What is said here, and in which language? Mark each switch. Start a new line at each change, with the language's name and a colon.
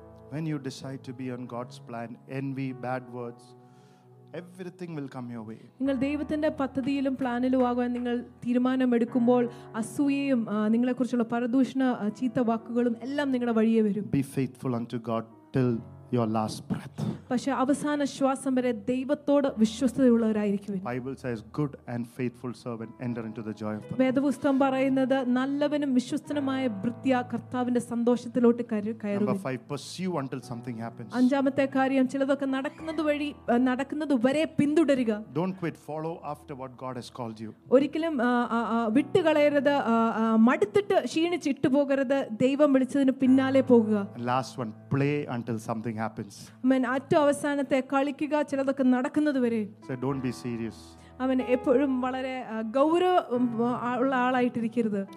English: When you decide to be on God's plan, envy, bad words, everything will come your way.
Malayalam: നിങ്ങൾ ദൈവത്തിന്റെ പദ്ധതിയിലും പ്ലാനിലും ആകാൻ നിങ്ങൾ തീരുമാനം എടുക്കുമ്പോൾ അസൂയയും നിങ്ങളെക്കുറിച്ചുള്ള പരദൂഷണ ചീത്ത വാക്കുകളും എല്ലാം നിങ്ങളുടെ വഴിയേ വരും.
English: Be faithful unto God till your last breath.
Malayalam: പക്ഷേ അവസാന ശ്വാസം വരെ ദൈവത്തോട് വിശ്വസ്തതയുള്ളവരായിരിക്കുവിൻ.
English: Bible says good and faithful servant enter into the joy of the Lord.
Malayalam: വേദപുസ്തകം പറയുന്നത് നല്ലവനും വിശ്വസ്തനുമായ ഭൃത്യ കർത്താവിന്റെ സന്തോഷത്തിലോട്ട് കയറുവിൻ.
English: Number 5 pursue until something happens.
Malayalam: അഞ്ചാമത്തെ കാര്യം ചിലതൊക്കെ നടക്കുന്നതുവഴി നടക്കുന്നതുവരെ പിന്തുടരുക.
English: Don't quit follow after what God has called you.
Malayalam: ഒരിക്കലും വിട്ടുകളയരുത് മടുത്തിട്ട് ക്ഷീണിച്ചിട്ട് പോകരുത് ദൈവം വിളിച്ചതിനു പിന്നാലെ പോകുക.
English: Last one play until something happens.
Malayalam: അമേൻ അവസാനത്തെ കളിക്കുക ചിലതൊക്കെ നടക്കുന്നതുവരെ
English: so don't be serious
Malayalam: അവൻ എപ്പോഴും വളരെ ഗൗരവം ഉള്ള ആളായിട്ടിരിക്കരുത്